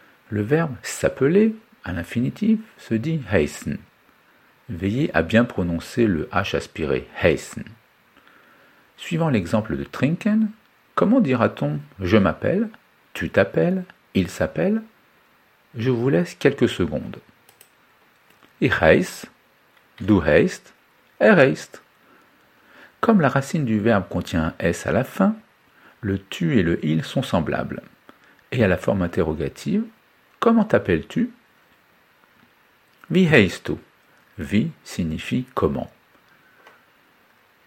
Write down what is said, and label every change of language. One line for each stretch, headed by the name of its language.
French: Le verbe s'appeler, à l'infinitif, se dit heißen. Veillez à bien prononcer le H aspiré, heißen. Suivant l'exemple de trinken, comment dira-t-on « je m'appelle »,« tu t'appelles »,« il s'appelle » Je vous laisse quelques secondes.
German: Ich heiße, du heißt, er heißt.
French: Comme la racine du verbe contient un S à la fin, le « tu » et le « il » sont semblables. Et à la forme interrogative, comment t'appelles-tu ?
German: Wie heißt du ?
French: Wie signifie « comment ».